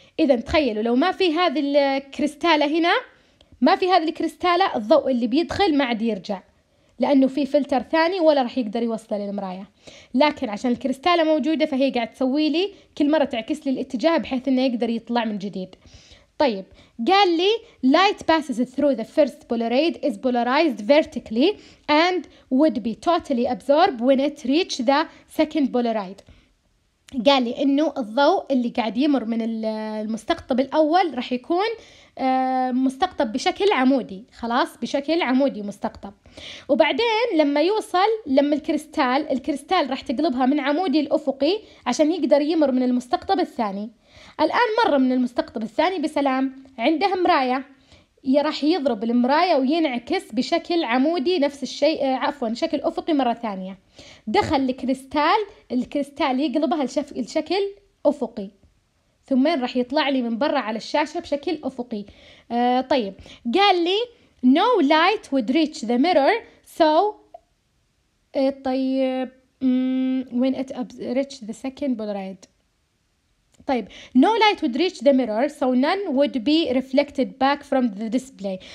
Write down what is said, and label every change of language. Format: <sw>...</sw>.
<ar>إذا تخيلوا لو ما في هذه الكريستالة هنا، ما في هذه الكريستالة، الضوء اللي بيدخل ما عاد يرجع، لأنه في فلتر ثاني ولا رح يقدر يوصله للمراية. لكن عشان الكريستالة موجودة فهي قاعد تسوي لي كل مرة تعكس لي الاتجاه بحيث أنه يقدر يطلع من جديد. طيب قال لي</ar> <en>light passes through the first polaroid is polarized vertically and would be totally absorbed when it reach the second polaroid.</en> <ar>قال لي أنه الضوء اللي قاعد يمر من المستقطب الأول رح يكون مستقطب بشكل عمودي، خلاص بشكل عمودي مستقطب، وبعدين لما يوصل لما الكريستال راح تقلبها من عمودي الأفقي عشان يقدر يمر من المستقطب الثاني. الآن مر من المستقطب الثاني بسلام، عنده مراية راح يضرب المراية وينعكس بشكل عمودي نفس الشيء، عفوا شكل أفقي مرة ثانية. دخل الكريستال يقلبها لشكل أفقي، ثم راح يطلع لي من برا على الشاشة بشكل أفقي. طيب قال لي</ar> <en>no light would reach the mirror so طيب when it reach the second polaroid. طيب no light would reach the mirror so none would be reflected back from the display.</en>